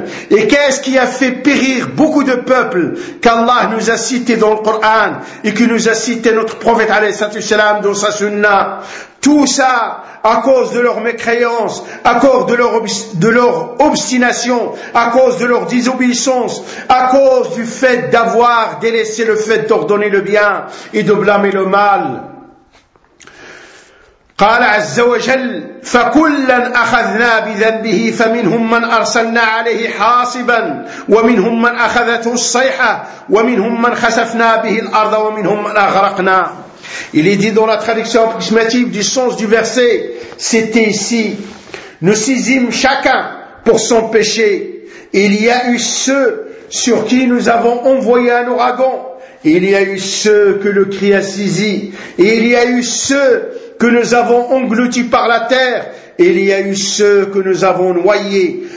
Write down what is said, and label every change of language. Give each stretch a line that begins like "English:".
French: Et qu'est-ce qui a fait périr beaucoup de peuples qu'Allah nous a cités dans le Coran et que nous a cités notre prophète alayhi salam dans sa sunna? Tout ça à cause de leur mécréance, à cause de leur obstination, à cause de leur désobéissance, à cause du fait d'avoir délaissé le fait d'ordonner le bien et de blâmer le mal.
Arabic: قال عز وجل فكلا أخذنا بذنبه فمنهم من أرسلنا عليه حاصبا ومنهم من أخذته الصيحة ومنهم من خسفنا به الأرض ومنهم من أغرقنا.
French: Il est dit dans la traduction approximative du sens du verset, c'était ici, nous saisîmes chacun pour son péché. Il y a eu ceux sur qui nous avons envoyé un ouragan, il y a eu ceux que le cri a saisi, il y a eu ceux que nous avons englouti par la terre, il y a eu ceux que nous avons noyés.